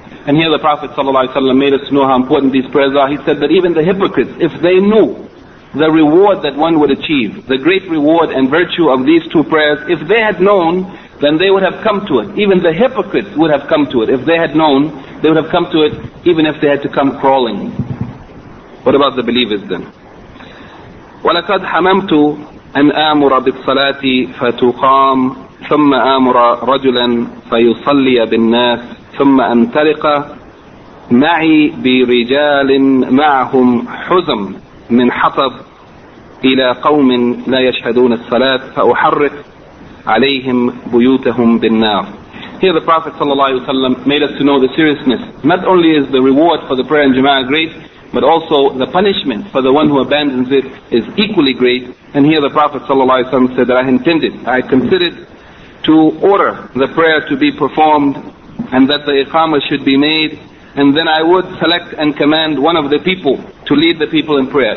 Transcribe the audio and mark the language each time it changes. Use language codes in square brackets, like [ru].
[en] And here the Prophet ﷺ made us know how important these prayers are. He said that even the hypocrites, if they knew the reward that one would achieve, the great reward and virtue of these two prayers, if they had known, then they would have come to it. Even the hypocrites would have come to it. If they had known, they would have come to it, even if they had to come crawling. What about the believers then? [ar] وَلَقَدْ حَمَمْتُ أَنْ آمُرَ بِالصَّلَاةِ فَتُقَامُ ثم آمر رجلا فيصلي بالناس ثم انطلق معي برجال معهم حزم من حطب إلى قوم لا يشهدون الصلاة فأحرق عليهم بيوتهم بالنار. [en] Here the Prophet ﷺ made us to know the seriousness. Not only is the reward for the prayer in Jama'ah great, but also the punishment for the one who abandons it is equally great. And here the Prophet ﷺ said that I considered to order the prayer to be performed and that the iqamah should be made, and then I would select and command one of the people to lead the people in prayer.